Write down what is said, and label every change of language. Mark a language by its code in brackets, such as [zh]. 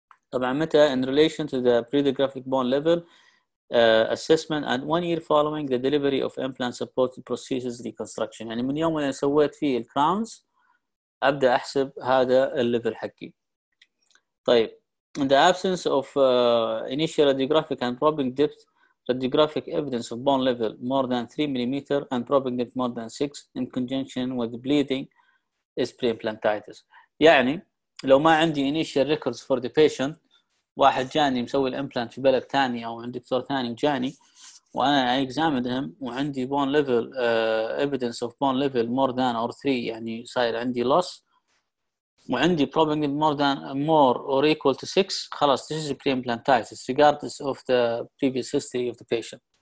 [ar] طبعا متى [en] in relation to the radiographic bone level assessment and 1 year following the delivery of implant supported prosthesis reconstruction. [ar] يعني من يوم اللي سويت فيه [en] the crowns [ar] أبدأ أحسب هذا الليفل حقي. طيب [en] in the absence of initial radiographic and probing depth radiographic evidence of bone level more than 3 millimeter and probing depth more than 6 in conjunction with bleeding is pre-implantitis. [ar] يعني لو ما عندي [en] initial records for the patient، [ar] واحد جاني مسوي الامبلانت في بلد ثاني أو عند دكتور ثاني جاني وأنا [en] examinedهم [ar] وعندي [en] bone level evidence of bone level more than or 3 [ar] يعني صاير عندي [en] loss [ar] وعندي [en] probing more than more or equal to 6 [ar] خلاص [en] this is pre-implantitis regardless of the previous history of the patient.